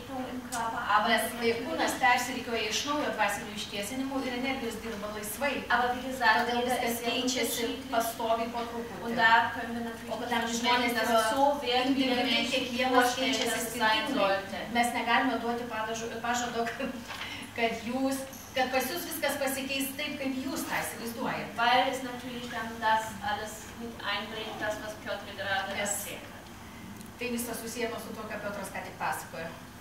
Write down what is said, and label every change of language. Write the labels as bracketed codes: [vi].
[lt] Kūnas persirikioja iš naujo dvasinių ištiesinimų ir energijos dirba laisvai, todėl viskas keičiasi pastoviai po truputį. O kad tam žmonės individualiai kiekvienas keičiasi skirtingai. Mes negalime duoti pažado, kad jūs kad pas jūs viskas pasikeis taip, kaip jūs tą įsivaizduojat. [de] Weil es natürlich dann das alles mit einbringt, das was Piotr gerade erzählt. [lt] Tai visas susijęs su tuo, ką Piotras ką tik pasakojo.